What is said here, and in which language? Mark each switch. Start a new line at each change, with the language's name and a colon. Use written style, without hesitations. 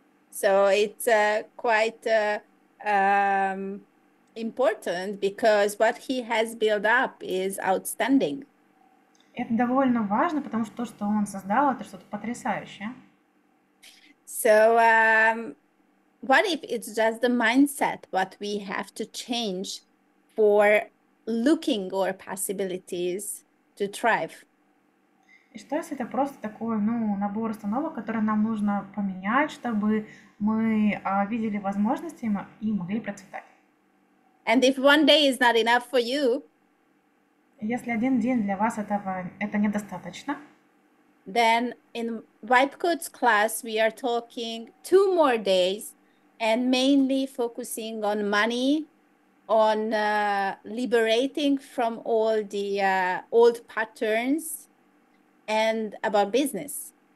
English: So it's quite important because what he has built up is outstanding.
Russian: Это довольно важно, потому что то, что он создал, это что-то потрясающее.
English: So what if it's just the mindset what we have to change for looking or possibilities to thrive?
Russian: И что, если это просто такой, ну, набор установок, которые нам нужно поменять, чтобы мы видели возможности и могли процветать?
English: And if 1 day is not enough for you,
Russian: Если 1 день для вас это недостаточно?
English: then in Vibe Codes class we are talking 2 more days and mainly focusing on money, on liberating from all the old patterns and about business.